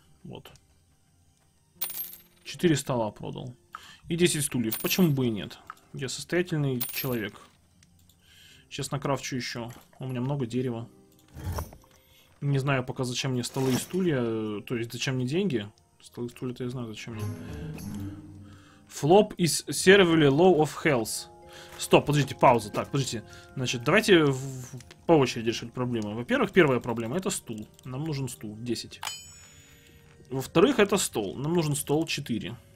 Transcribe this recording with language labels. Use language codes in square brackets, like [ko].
[ru] Вот. 4 стола продал. И 10 стульев. Почему бы и нет? Я состоятельный человек. Сейчас накрафчу еще. У меня много дерева. Не знаю пока, зачем мне столы и стулья. То есть, зачем мне деньги. Столы и стулья-то я знаю, зачем мне. [en] Flop is severely low of health. [ru] Стоп, подождите, пауза. Так, подождите. Значит, давайте по очереди решать проблемы. Во-первых, первая проблема это стул. Нам нужен стул. 10. Во-вторых, это стол. Нам нужен стол 4.